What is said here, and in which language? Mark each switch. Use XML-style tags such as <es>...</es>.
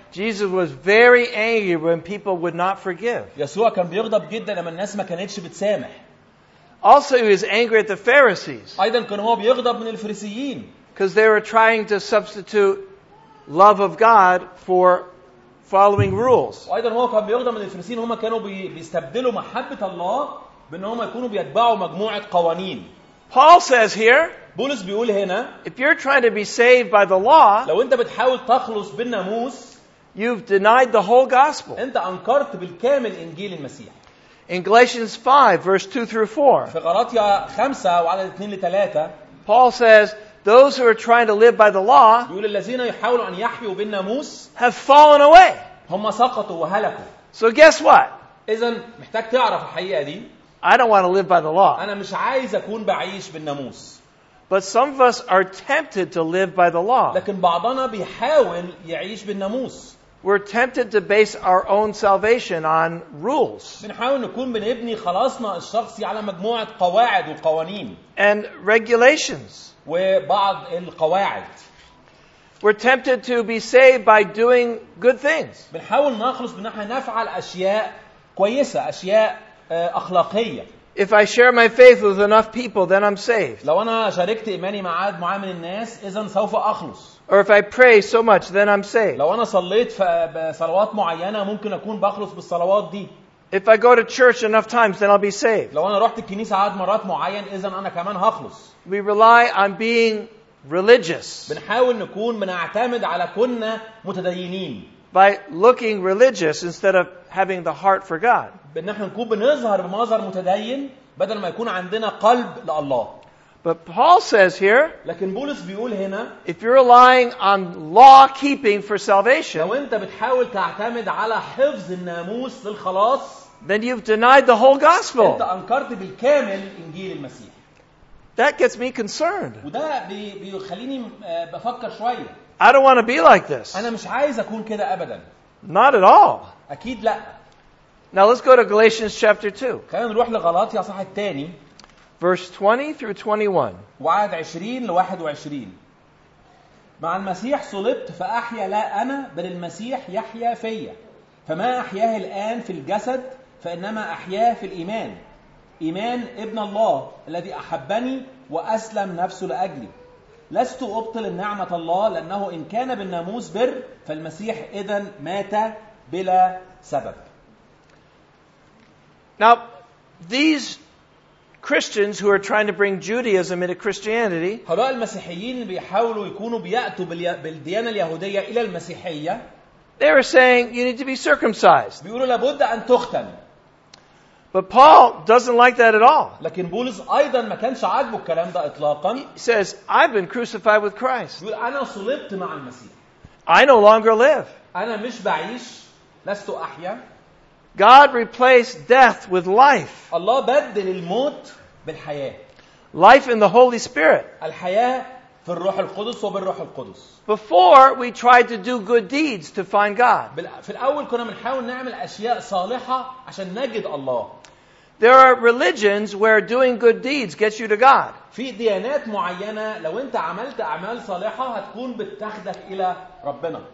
<en>Jesus was very angry when people would not forgive.</en> <ar>يسوع كان بيغضب جدا لما الناس ما كانتش بتسامح.</ar> <en>Also he was angry at the Pharisees.</en> <ar>ايضا كان هو بيغضب من الفريسيين.</ar> <en>Because they were trying to substitute love of God for following rules.</en> <ar>ايضا هو كان بيغضب من الفريسيين هم كانوا بيستبدلوا محبة الله بأنهم يكونوا بيتبعوا مجموعة قوانين.</ar> <en>Paul says here.</en> <ar>بولس بيقول هنا.</ar> <en>If you're trying to be saved by the law.</en> <ar>لو أنت بتحاول تخلص بالناموس.</ar> <en>You've denied the whole gospel.</en> <ar>أنت أنكرت بالكامل إنجيل المسيح.</ar> <en>In Galatians 5, verse 2 through 4,</en> <ar>في غلاطيا 5 وعلى 2 ل 3,</ar> <en>Paul says, those who are trying to live by the law</en> <ar>يقول الذين يحاولوا أن يحيوا بالناموس</ar> <en>have fallen away.</en> <ar>هم سقطوا وهلكوا.</ar> <en>So guess what?</en> <ar>إذن محتاج تعرف الحقيقة دي.</ar> <en>I don't want to live by the law.</en> <ar>أنا مش عايز أكون بعيش بالناموس.</ar> <en>But some of us are tempted to live by the law.</en> <ar>لكن بعضنا بيحاول يعيش بالناموس.</ar> <en>We're tempted to base our own salvation on rules.</en> <ar>بنحاول نكون بنبني خلاصنا الشخصي على مجموعة قواعد وقوانين.</ar> <en>And regulations.</en> <ar>وبعض القواعد.</ar> <en>We're tempted to be saved by doing good things.</en> <ar>بنحاول نخلص بأن احنا نفعل أشياء كويسة، أشياء أخلاقية.</ar> <en>If I share my faith with enough people, then I'm saved.</en> <ar>لو أنا شاركت إيماني مع عدد معين من الناس، إذن سوف أخلص.</ar> <en>Or if I pray so much, then I'm saved.</en> <ar>لو أنا صليت بصلوات معينة، ممكن أكون بخلص بالصلوات دي.</ar> <en>If I go to church enough times, then I'll be saved.</en> <ar>لو أنا رحت الكنيسة عدد مرات معين، إذن أنا كمان هخلص.</ar> <en>We rely on being religious.</en> <ar>بنحاول نكون بنعتمد على كنا متدينين.</ar> <en>By looking religious instead of having the heart for God.</en> <ar>بأن احنا نكون بنظهر بمظهر متدين بدل ما يكون عندنا قلب لله.</ar> <en>But Paul says here,</en> <ar>لكن بولس بيقول هنا,</ar> <en>if you're relying on law keeping for salvation,</en> <ar>لو انت بتحاول تعتمد على حفظ الناموس للخلاص,</ar> <en>then you've denied the whole gospel.</en> <ar>انت انكرت بالكامل انجيل المسيح.</ar> <en>That gets me concerned.</en> <ar>وده بيخليني بفكر شوية.</ar> <en>I don't want to be like this.</en> <ar>انا مش عايز اكون كده ابدا.</ar> <en>Not at all.</en> <ar>اكيد لا.</ar> <en>Now let's go to Galatians chapter 2.</en> <ar>خلينا نروح لغلاطيا الاصحاح الثاني.</ar> <en>Verse 20 through 21.</en> <ar>وعد 20 ل 21. مع المسيح صلبت فأحيا لا أنا بل المسيح يحيا فيا. فما أحياه الآن في الجسد فإنما أحياه في الإيمان. إيمان ابن الله الذي أحبني وأسلم نفسه لأجلي. لست أبطل النعمة الله لأنه إن كان بالناموس بر فالمسيح إذن مات بلا سبب.</ar> <en>Now, these Christians who are trying to bring Judaism into Christianity,</en> <ar>هؤلاء المسيحيين بيحاولوا يكونوا بيأتوا بالديانة اليهودية إلى المسيحية.</ar> <en>They are saying you need to be circumcised.</en> <ar>بيقولوا لابد أن تختن.</ar> <en>But Paul doesn't like that at all.</en> <ar>لكن بولس أيضا ما كانش عاجبه الكلام ده إطلاقا.</ar> <en>He says, "I've been crucified with Christ."</en> <ar>بيقول أنا صلبت مع المسيح.</ar> <en>I no longer live.</en> <ar>أنا مش بعيش. لست أحيا.</ar> <en>God replaced death with life.</en> <ar>الله بدل الموت بالحياة.</ar> <en>Life in the Holy Spirit.</en> <ar>الحياة في الروح القدس وبالروح القدس.</ar> <en>Before we tried to do good deeds to find God.</en> <ar>في الأول كنا بنحاول نعمل أشياء صالحة عشان نجد الله.</ar> <en>There are religions where doing good deeds gets you to God.</en> <ar>في ديانات معينة لو أنت عملت أعمال صالحة هتكون بتاخدك إلى ربنا.</ar>